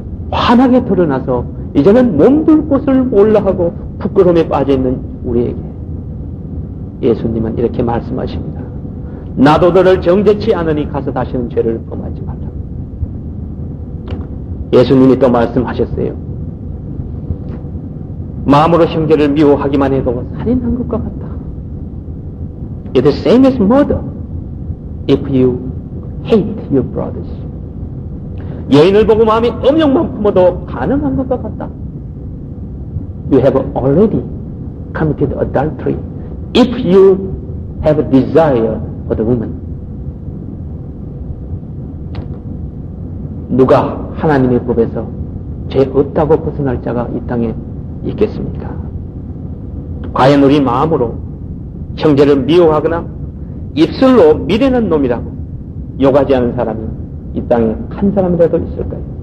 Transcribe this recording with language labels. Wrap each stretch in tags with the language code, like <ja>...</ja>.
<ko>환하게 드러나서 이제는 몸둘 곳을 몰라하고 부끄러움에 빠져있는 우리에게 예수님은 이렇게 말씀하십니다. 나도 너를 정죄치 않으니 가서 다시는 죄를 범하지 말라. 예수님이 또 말씀하셨어요. 마음으로 형제를 미워하기만 해도 살인한 것과 같다.</ko> <en>It's the same as murder if you hate your brothers.</en> <ko>여인을 보고 마음이 음욕만 품어도 가능한 것과 같다.</ko> <en>You have already committed adultery if you have a desire for the woman.</en> <ko>누가 하나님의 법에서 죄 없다고 벗어날 자가 이 땅에 있겠습니까? 과연 우리 마음으로 형제를 미워하거나 입술로 미련한 놈이라고 욕하지 않은 사람이 이 땅에 한 사람이라도 있을까요?</ko>